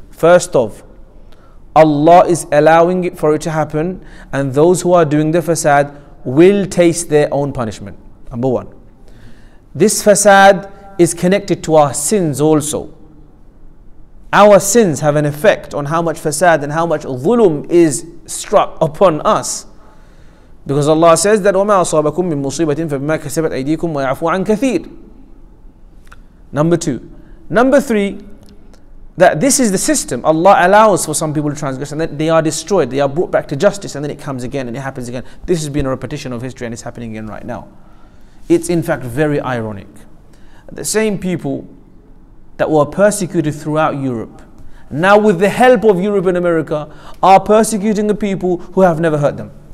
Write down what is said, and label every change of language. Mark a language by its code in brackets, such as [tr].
[en] First off, Allah is allowing it for it to happen, and those who are doing the fasad will taste their own punishment. Number one. This fasad is connected to our sins also. Our sins have an effect on how much fasad and how much zulum is struck upon us. Because Allah says that [ar] وَمَا أَصَابَكُمْ مِنْ مُصِيبَةٍ فَبِمَا كَسَبَتْ أَيْدِيكُمْ وَيَعْفُوا عَنْ كَثِيرٍ. [en] Number two. Number three, that this is the system. Allah allows for some people to transgress and then they are destroyed. They are brought back to justice and then it comes again and it happens again. This has been a repetition of history and it's happening again right now. It's in fact very ironic. The same people that were persecuted throughout Europe, now with the help of Europe and America, are persecuting the people who have never hurt them.